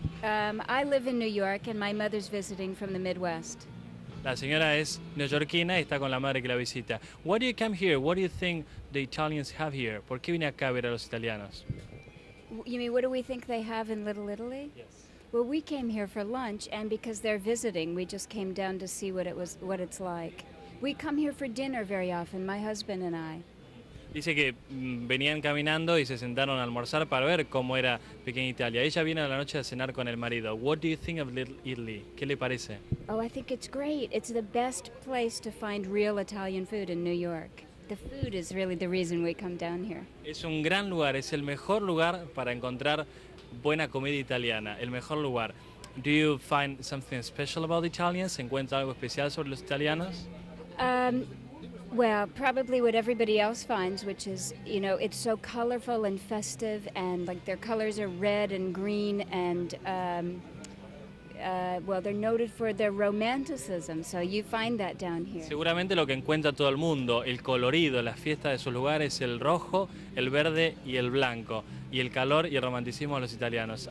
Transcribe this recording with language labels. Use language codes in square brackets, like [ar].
[en] I live in New York and my mother's visiting from the Midwest. [es] La señora es neoyorquina y está con la madre que la visita. [en] Why do you come here? What do you think the Italians have here? [es] ¿Por qué viene acá a ver a los italianos? [en] You mean, what do we think they have in Little Italy? Yes. Well, we came here for lunch, and because they're visiting, we just came down to see what it's like. We come here for dinner very often, my husband and I. [es] Dice que venían caminando y se sentaron a almorzar para ver cómo era pequeña Italia. Ella viene a la noche a cenar con el marido. [en] What do you think of Little Italy? [es] ¿Qué le parece? [en] Oh, I think it's great. It's the best place to find real Italian food in New York. The food is really the reason we come down here. [es] Es un gran lugar, es el mejor lugar para encontrar buena comida italiana, el mejor lugar. [en] Do you find something special about Italians? [es] ¿Encuentra algo especial sobre los italianos? [en] Well, probably what everybody else finds, which is, you know, it's so colorful and festive, and like their colors are red and green, and well, they're noted for their romanticism, so you find that down here. [es] Seguramente lo que encuentra todo el mundo, el colorido, las fiestas de sus lugares, el rojo, el verde y el blanco, y el calor y el romanticismo de los italianos.